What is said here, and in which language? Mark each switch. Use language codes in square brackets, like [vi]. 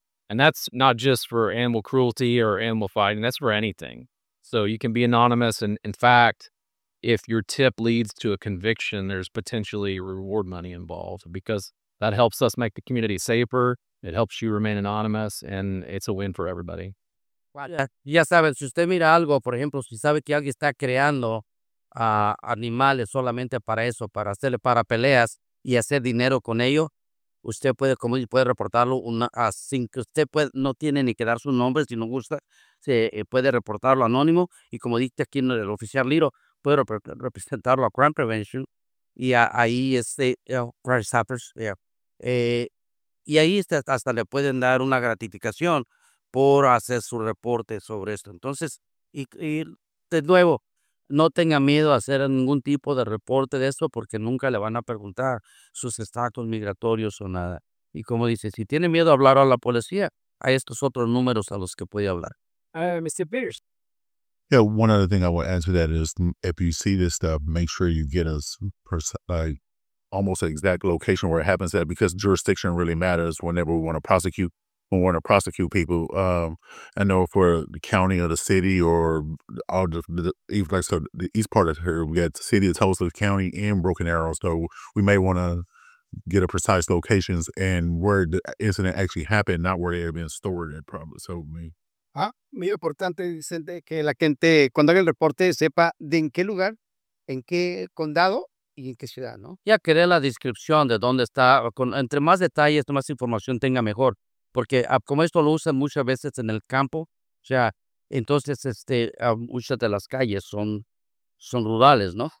[en] And that's not just for animal cruelty or animal fighting. That's for anything. So you can be anonymous. And in fact, if your tip leads to a conviction, there's potentially reward money involved because that helps us make the community safer. It helps you remain anonymous. And it's a win for everybody. [es] Ya sabes, si usted mira algo, por ejemplo, si sabe que alguien está creando a animales solamente para eso, para hacerle para peleas y hacer dinero con ello, usted puede, como dice, puede reportarlo sin que usted puede, no tiene ni que dar su nombre, si no gusta, se puede reportarlo anónimo y como dice aquí en el oficial Liro, puede representarlo a Crime Prevention y ahí Crime Stoppers, y ahí hasta le pueden dar una gratificación por hacer su reporte sobre esto. Entonces, y de nuevo, no tenga miedo a hacer ningún tipo de reporte de eso porque nunca le van a preguntar sus estatus migratorios o nada. Y como dice, si tiene miedo a hablar a la policía, hay estos otros números a los que puede hablar. [en] Mr. Peters, Yeah, one other thing I would add to that is if you see this stuff, make sure you get us almost an exact location where it happens at, because jurisdiction really matters whenever we want to prosecute. We want to prosecute people. I know for the county or the city or all the east part of here, we got the city of Tulsa, the county, and Broken Arrow. So we may want to get a precise locations and where the incident actually happened, not where they have been stored at, probably. So me. [es] Ah, muy importante, Vicente, que la gente, cuando haga el reporte, sepa de en qué lugar, en qué condado y en qué ciudad, ¿no? Ya que la descripción de dónde está, entre más detalles, más información tenga, mejor. Porque como esto lo usan muchas veces en el campo, o sea, entonces muchas de las calles son rurales, ¿no?